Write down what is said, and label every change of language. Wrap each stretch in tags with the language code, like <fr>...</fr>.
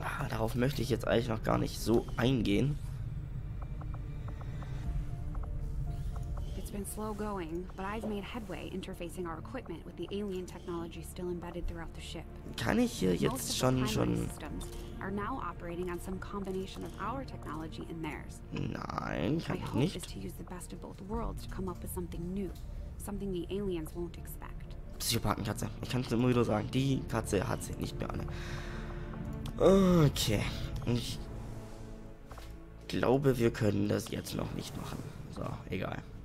<de>Darauf möchte ich jetzt eigentlich noch gar nicht so eingehen.</de> <en>Slow going, but I've made headway interfacing our equipment with the alien technology still embedded throughout the ship.</en> <de>Kann ich hier jetzt schon</de> <en>are now operating on some combination of our technology and theirs.</en> <de>Nein, kann ich nicht.</de> <en>My hope is to use the best of both worlds to come up with something new, something the aliens won't expect.</en> <de>Psychopathenkatze. Ich kann es immer wieder sagen, die Katze hat sie nicht mehr alle. Okay. Ich glaube, wir können das jetzt noch nicht machen. So, egal.</de>